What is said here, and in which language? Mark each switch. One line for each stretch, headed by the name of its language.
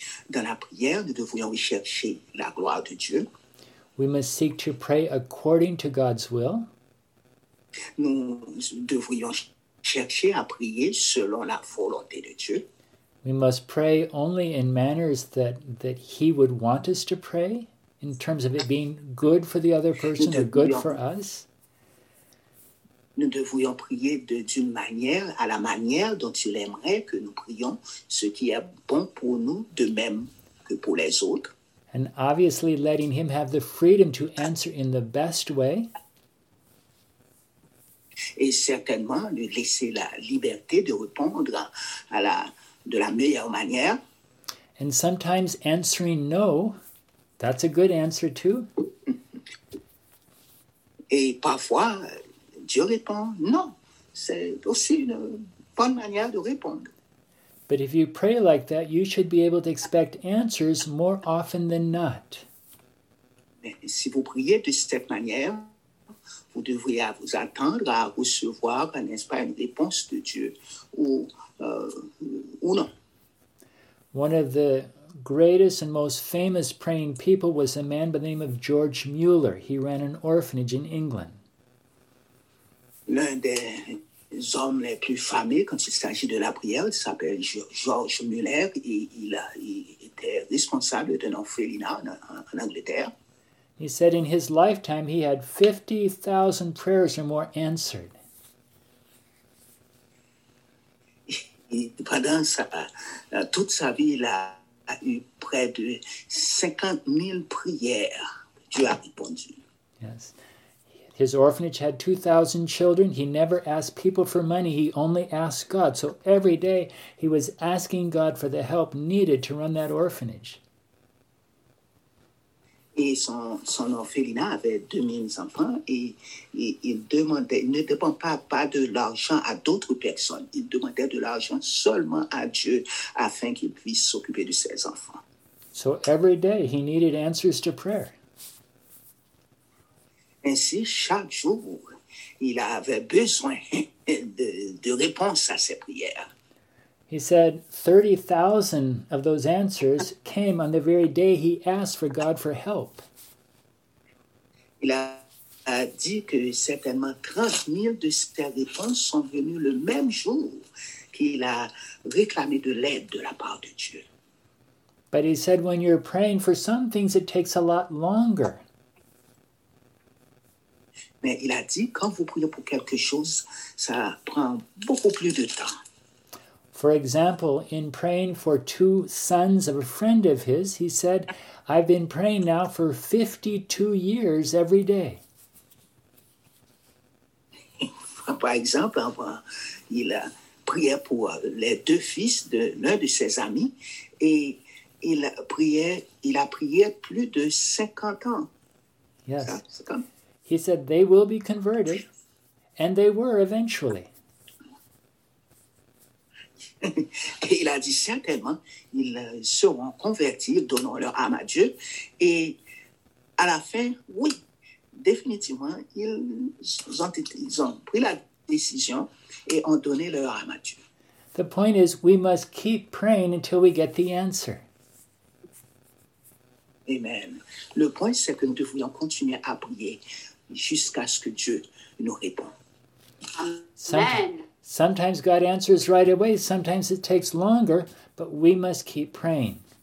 French: Dans la prière, nous devrions rechercher la gloire de Dieu.
English: We must seek to pray according to God's will.
French: Nous devrions chercher à prier selon la volonté de Dieu.
English: We must pray only in manners that he would want us to pray, in terms of it being good for the other person or good for us.
French: Nous devrions prier d'une manière, à la manière dont il aimerait que nous prions, ce qui est bon pour nous, de même que pour les autres.
English: And obviously letting him have the freedom to answer in the best way.
French: Et certainement lui laisser la liberté de répondre de la meilleure manière.
English: And sometimes answering no, that's a good answer too.
French: Et parfois, Dieu répond non. C'est aussi une bonne manière de répondre.
English: But if you pray like that, you should be able to expect answers more often than not.
French: Si vous priez de cette manière, vous devriez vous attendre à recevoir, n'est-ce pas, une réponse de Dieu ou non.
English: One of the greatest and most famous praying people was a man by the name of George Mueller. He ran an orphanage in England.
French: L'un des les hommes les plus fameux quand il s'agit de la prière, il s'appelle George Mueller et il était responsable d'un orphelinat en Angleterre.
English: He said in his lifetime he had 50,000 prayers or more answered.
French: Pendant toute sa vie, il a eu près de 50 000 prières. Dieu a répondu.
English: Yes. His orphanage had 2,000 children. He never asked people for money. He only asked God. So every day he was asking God for the help needed to run that orphanage.
French: Et son orphelinat avait 2,000 enfants et il demandait, ne demandait pas de l'argent à d'autres personnes. Il demandait de l'argent seulement à Dieu afin qu'il puisse s'occuper de ses enfants.
English: So every day he needed answers to prayer.
French: Ainsi, chaque jour, il avait besoin de réponses à ses prières.
English: He said 30,000 of those answers came on the very day he asked for God for help.
French: Il a dit que certainement 30,000 de ses réponses sont venues le même jour qu'il a réclamé de l'aide de la part de Dieu.
English: But he said when you're praying for some things, it takes a lot longer.
French: Mais il a dit, quand vous priez pour quelque chose, ça prend beaucoup plus de temps.
English: For example, in praying for two sons of a friend of his, he said, I've been praying now for 52 years every day.
French: Par exemple, il a prié pour les deux fils de l'un de ses amis et il a prié plus de 50 ans.
English: Yes. Ça, he said they will be converted, and they were eventually.
French: Il a dit certainement, ils seront convertis, donnant leur âme à Dieu, et à la fin, oui, définitivement, ils ont pris la décision et ont donné leur âme à Dieu.
English: The point is, we must keep praying until we get the answer. Amen.
French: Le point, c'est que nous devrions continuer à prier jusqu'à ce que Dieu nous réponde.
English: Sometimes God answers right away, sometimes it takes longer, but we must keep praying.